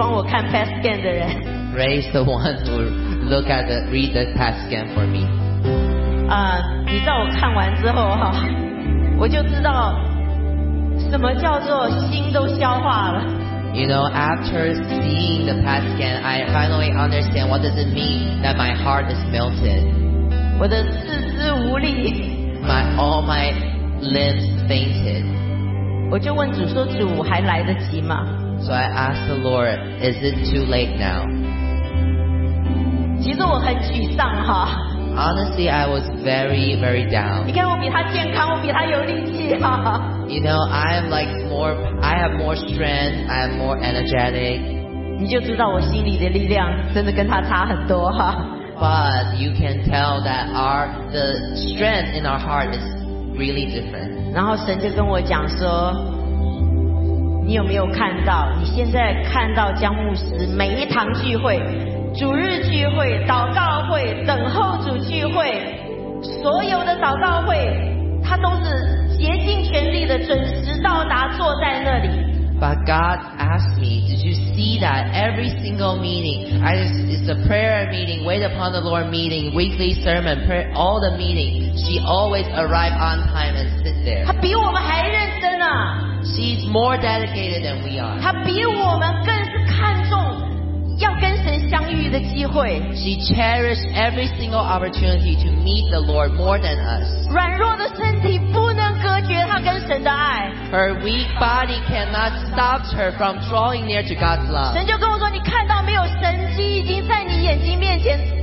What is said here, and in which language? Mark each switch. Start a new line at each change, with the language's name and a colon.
English: The one who look at the read the PET scan for me.
Chinese: 你知道我看完之后哈，我就知道什么叫做心都消化了。
English: You know, after seeing the PET scan, I finally understand what does it mean that my heart is melted.
Chinese: 我的四肢无力。
English: All my limbs fainted.
Chinese: 我就问主说，主还来得及吗
English: ？So I asked the Lord, is it too late now?
Chinese: 其实我很沮丧哈。
English: Honestly, I was very, very down.
Chinese: 你看我比他健康，我比他有力气哈。
English: You know, I'm like more, I have more strength, I am more energetic.
Chinese: 你就知道我心里的力量真的跟他差很多哈。
English: But you can tell that the strength in our heart is really different.
Chinese: 然后神就跟我讲说，你有没有看到？你现在看到江牧师每一堂聚会。主日聚会、祷告会、等候主聚会，所有的祷告会，他都是竭尽全力的准时到达，坐在那里。
English: But God asked me, did you see that every single meeting, it's a prayer meeting, wait upon the Lord meeting, weekly sermon, prayer, all the meeting, she always arrive on time and sit there.
Chinese: 她比我们还认真啊。
English: She's more dedicated than we are.
Chinese: 她比我们更是看重。要跟神相遇的机会。
English: She cherished every single opportunity to meet the Lord more than us.
Chinese: 软弱的身体不能隔绝她跟神的爱。
English: Her weak body cannot stop her from drawing near to God's love.
Chinese: 神就跟我说，你看到没有？神迹已经在你眼睛面前。